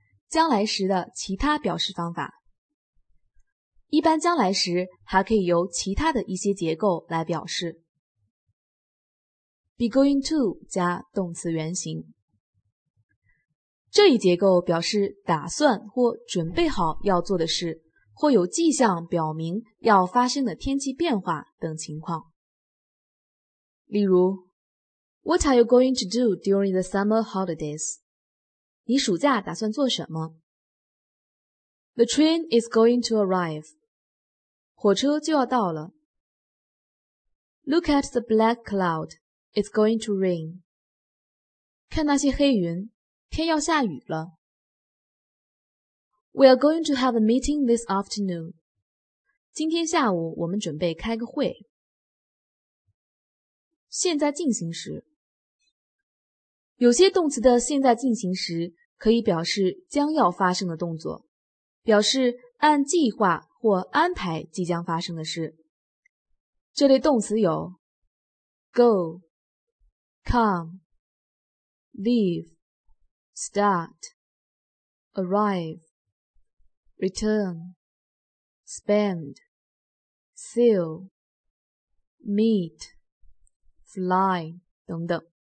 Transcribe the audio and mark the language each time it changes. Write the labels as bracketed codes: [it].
[zh] 将来时的其他表示方法。一般将来时还可以由其他的一些结构来表示。 [en] Be going to [zh] 加动词原形。这一结构表示打算或准备好要做的事，或有迹象表明要发生的天气变化等情况。例如 [en] What are you going to do during the summer holidays? [zh] 你暑假打算做什么？ [en] The train is going to arrive. [zh] 火车就要到了。 [en] Look at the black cloud. It's going to rain. [zh] 看那些黑云，天要下雨了。 [en] We are going to have a meeting this afternoon. [zh] 今天下午我们准备开个会。现在进行时，有些动词的现在进行时可以表示将要发生的动作，表示按计划或安排即将发生的事。这类动词有 go, come, leave, start, arrive, return, spend, sail, meet,fly 等等。